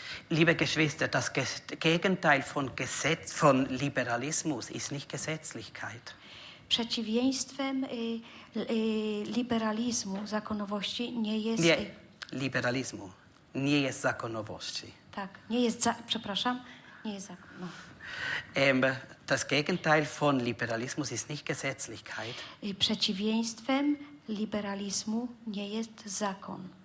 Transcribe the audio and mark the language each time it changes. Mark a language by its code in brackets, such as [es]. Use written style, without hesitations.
[de] Liebe Geschwister, das Gegenteil von Gesetz, von Liberalismus ist nicht Gesetzlichkeit. [pl] Przeciwieństwem liberalizmu, zakonowości nie jest... Nie, liberalizmu. Nie jest zakonowości. Tak, nie jest... przepraszam, nie jest zakonowości. [de] Das Gegenteil von Liberalismus ist nicht Gesetzlichkeit. [pl] Przeciwieństwem liberalizmu nie jest zakon.